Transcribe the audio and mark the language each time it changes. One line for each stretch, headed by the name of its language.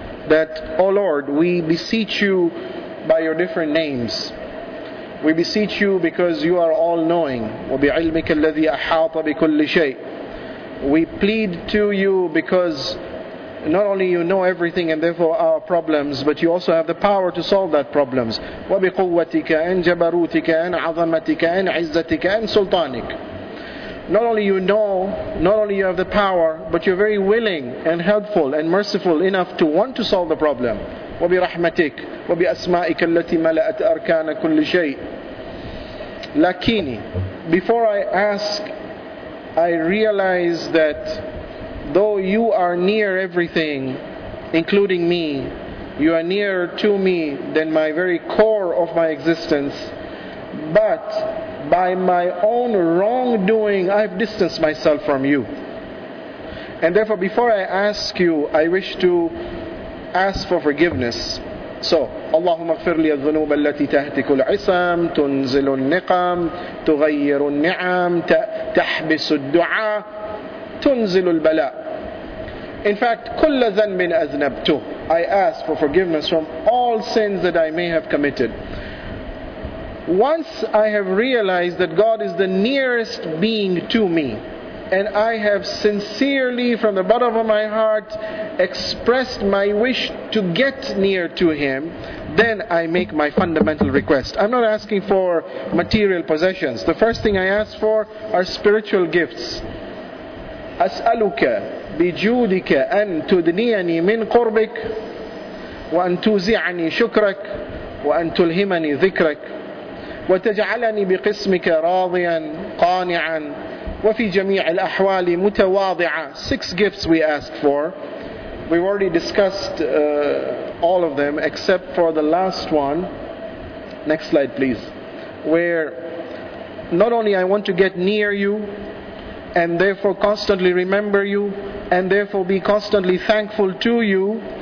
English: That, O Lord, we beseech you by your different names. We beseech you because you are all-knowing.
Arabic: وَبِعِلْمِكَ الَّذِي أَحَاطَ بِكُلِّ شَيْءٍ.
English: We plead to you because not only you know everything and therefore our problems, but you also have the power to solve that problems.
Arabic: وَبِقُوَّتِكَ and جَبَرُوتِكَ and عَظَمَتِكَ and عِزَّتِكَ and سُلْطَانِكَ.
English: Not only you know, not only you have the power, but you're very willing and helpful and merciful enough to want to solve the problem.
Arabic: وبرحمتك وبأسمائك التي ملأت أركان كل شيء.
English: لكني, before I ask, I realize that though you are near everything, including me, you are nearer to me than my very core of my existence, but by my own wrongdoing, I've distanced myself from you. And therefore, before I ask you, I wish to ask for forgiveness.
Arabic: So, اللهم اغفر لي الذنوب التي تهتك العصام تنزل النقم تغير النعم تحبس الدعاء تنزل البلاء.
English: In fact,
Arabic: كل ذنب أذنبته.
English: I ask for forgiveness from all sins that I may have committed. Once I have realized that God is the nearest being to me, and I have sincerely from the bottom of my heart expressed my wish to get near to Him, then I make my fundamental request. I'm not asking for material possessions. The first thing I ask for are spiritual gifts.
Arabic: أسألك بجودك أن تدنيني من قربك وأن توزعني شكرك وأن تلهمني ذكرك وتجعلني بقسمك راضيا قانعا وفي جميع الأحوال متواضعا.
English: Six gifts we ask for. We've already discussed all of them except for the last one. Next slide, please. Where not only I want to get near you and therefore constantly remember you and therefore be constantly thankful to you.